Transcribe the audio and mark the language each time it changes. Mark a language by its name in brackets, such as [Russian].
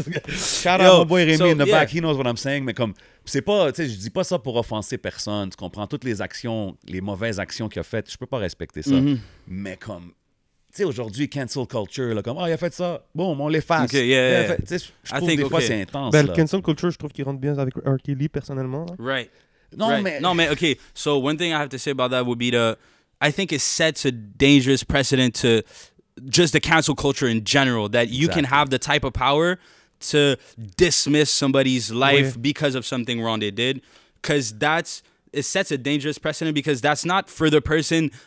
[English] Shout out my boy Rémi in the back. He knows what I'm saying. [French] Mais comme, c'est pas... Tu sais, je dis pas ça pour offenser personne. Tu comprends toutes les actions, les mauvaises actions qu'il a faites. Je peux pas respecter ça. Mm-hmm. Mais comme... Tu sais, aujourd'hui, cancel culture, là, comme, ah, oh, il a fait ça, boum, on l'efface. [English] Okay, yeah. [French] Je trouve des fois, c'est intense. Ben, le cancel culture, je trouve qu'il rentre bien avec R.Kelly, personnellement. Là. [English] Right. [French] Non, [English] right. [French] Mais... [English] Non, mais, OK, so one thing I have to say about that would be the, I think it sets a dangerous precedent to just the cancel culture in general, that you can have the type of power to dismiss somebody's life because of something wrong they did. Because that's, it sets a dangerous precedent because that's not for the person...